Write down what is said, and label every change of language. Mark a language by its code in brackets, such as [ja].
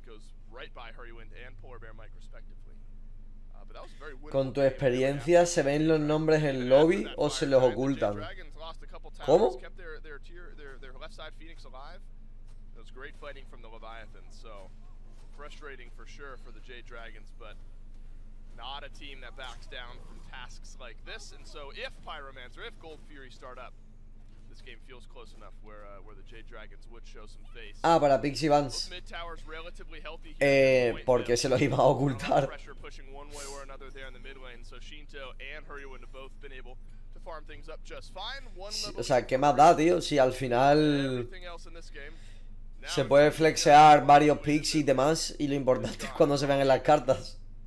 [en] Goes right by Hurrywind and Polar Bear Mike, respectively. But that was very winning. [es] Con tu experiencia, ¿se ven los nombres en lobby o se los ocultan? ¿Cómo? [en] Their left side Phoenix alive. It was great fighting from the Leviathan, so... frustrating for sure for the J Dragons, but not a team that backs down from tasks like this. And so, if Pyromancer, if Gold Fury start up, this game feels close enough where the J Dragons would show some face. [es] Ah, para Pixie Vans. [en] Mid tower's relatively healthy. [es] Porque se lo iba a ocultar. [en] Pressure pushing one way or another there in the mid lane. So Shinto and Hurrywind have both been able to farm things up just fine. One level. [es] O sea, ¿qué más da, tío? Si al final. Se puede flexear varios picks y demás, y lo importante es cuando se vean en las cartas.